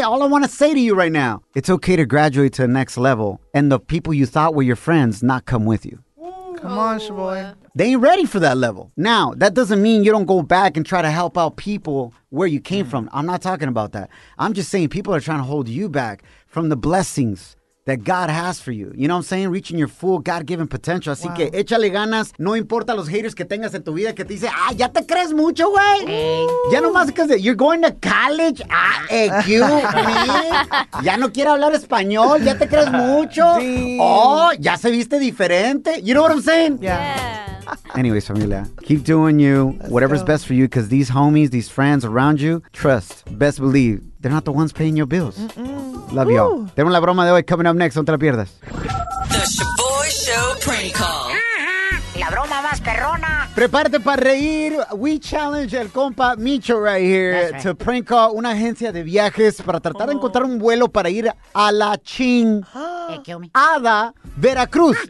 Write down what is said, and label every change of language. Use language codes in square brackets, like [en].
[en] All I want to say to you right now, it's okay to graduate to the next level and the people you thought were your friends not come with you. Come on, Shaboy. They ain't ready for that level. Now, that doesn't mean you don't go back and try to help out people where you came from. I'm not talking about that. I'm just saying people are trying to hold you back from the blessings that God has for you. You know what I'm saying? Reaching your full God-given potential. [es] Así que, échale ganas. No importa los haters que tengas en tu vida que te dice, ah, ya te crees mucho, güey. Ya nomás [en] because you're going to college. Ah, you, me. [es] Ya no quiere hablar español. Ya te crees mucho. Oh, ya se viste diferente. [en] You know what I'm saying? [es] Yeah. [en] Anyways, familia, keep doing you. Whatever's best for you because these homies, these friends around you, trust, best believe, they're not the ones paying your bills. Love y'all. [es] Tenemos la broma de hoy [en] coming up next. [es] No te la pierdas. [en] The Shaboy Show prank call. [es] La broma más perrona. Prepárate para reír. [en] We challenge [es] el compa Micho [en] right here to prank call [es] una agencia de viajes para tratar de encontrar un vuelo para ir a la chingada Veracruz.